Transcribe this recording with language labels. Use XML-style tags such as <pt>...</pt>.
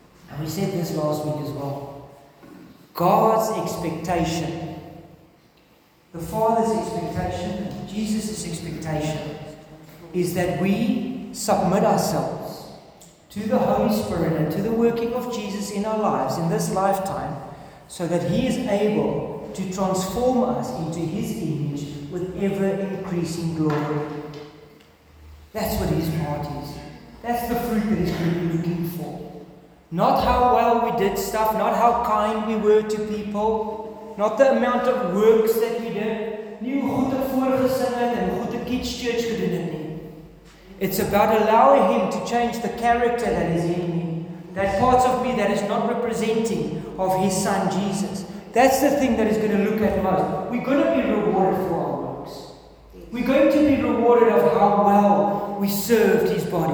<en>And we said this last week as well. God's expectation, the Father's expectation, Jesus' expectation, is that we submit ourselves to the Holy Spirit and to the working of Jesus in our lives, in this lifetime, so that He is able to transform us into His image with ever-increasing glory. That's what His heart is. That's the fruit that He's been looking for. Not how well we did stuff, not how kind we were to people, not the amount of works that we did.</en> <af>Nie hoe goed ek voorgesing het en hoe goed ek kids church gedoen het nie.</af> <en>It's about allowing Him to change the character that is in me. That part of me that is not representing of His Son Jesus. That's the thing that is going to look at most. We're going to be rewarded for our works. We're going to be rewarded of how well we served His body.</en>